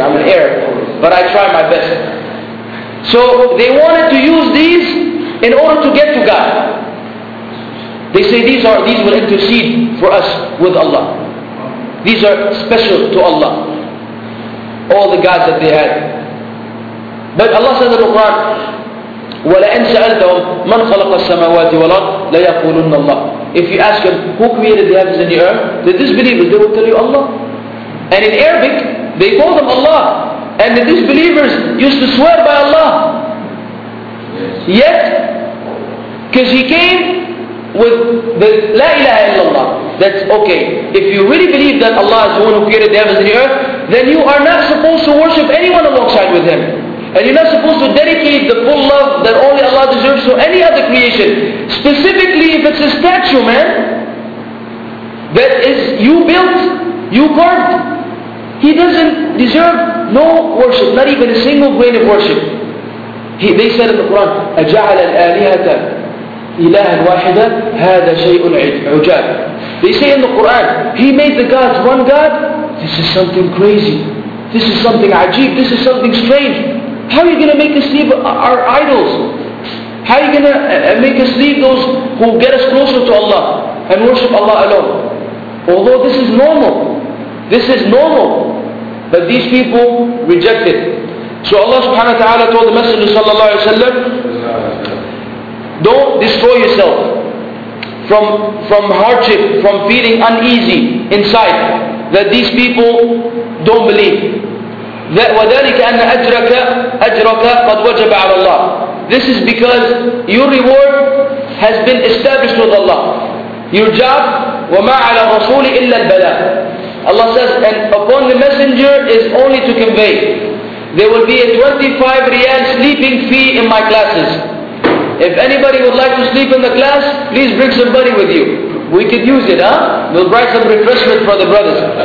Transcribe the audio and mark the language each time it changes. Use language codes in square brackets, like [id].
[en] I'm an Arab. But I try my best. So they wanted to use these in order to get to God. They say these will intercede for us with Allah. These are special to Allah. All the gods that they had. But Allah says in the Quran, [ar] وَلَأَنْ سَأَلْتَهُمْ مَنْ خَلَقَ السَّمَاوَاتِ وَالْأَرْضِ لَيَقُولُنَّ اللَّهِ. [en] If you ask them, who created the heavens and the earth? The disbelievers, they will tell you Allah. And in Arabic, they call them Allah. And the disbelievers used to swear by Allah. Yet, because he came with the La ilaha illallah. That's okay. If you really believe that Allah is the one who created the heavens and the earth, then you are not supposed to worship anyone alongside with Him. And you're not supposed to dedicate the full love that only Allah deserves to any other creation. Specifically if it's a statue, man, that is you built, you carved. He doesn't deserve no worship, not even a single grain of worship. They said in the Quran, [ar] أَجَعَلَ الْآلِهَةَ إِلَهًا وَاحِدًا هَذَا شَيْءٌ عُجَابٌ. [en] They say in the Quran, he made the gods one God? This is something crazy. This is something ajeeb. This is something strange. How are you going to make us leave our idols? How are you going to make us leave those who get us closer to Allah and worship Allah alone? Although this is normal. This is normal. But these people rejected. So Allah subhanahu wa ta'ala told the Messenger sallallahu alayhi wa sallam, don't destroy yourself from hardship, from feeling uneasy inside that these people don't believe. [ar] وَذَلِكَ أَنَّ أَجْرَكَ قَدْ وَجَبَ عَلَى اللَّهِ. [en] This is because your reward has been established with Allah. Your job, [ar] وَمَا عَلَى الرَّسُولِ إِلَّا الْبَلَاءِ. [en] Allah says, and upon the messenger is only to convey. There will be a 25 riyal sleeping fee in my classes. If anybody would like to sleep in the class, please bring somebody with you. We could use it, huh? We'll bring some refreshment for the brothers.